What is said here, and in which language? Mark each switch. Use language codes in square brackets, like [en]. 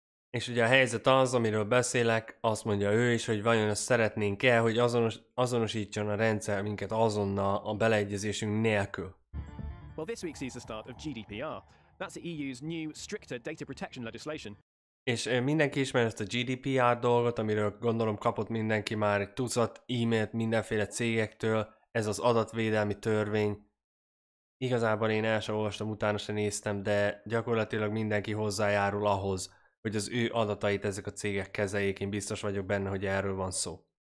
[hu] És ugye a helyzet az, amiről beszélek, azt mondja ő is, hogy vajon azt szeretnénk-e, hogy azonosítson a rendszer minket azonnal a beleegyezésünk nélkül. [en] Well, this week sees the start of GDPR. That's the EU's new stricter data protection legislation. [hu] És mindenki ismeri ezt a GDPR dolgot, amiről gondolom kapott mindenki már egy tucat e-mailt mindenféle cégektől, ez az adatvédelmi törvény. Igazából én el sem olvastam, utána sem néztem, de gyakorlatilag mindenki hozzájárul ahhoz, hogy az ő adatait ezek a cégek kezeljék, én biztos vagyok benne, hogy erről van szó.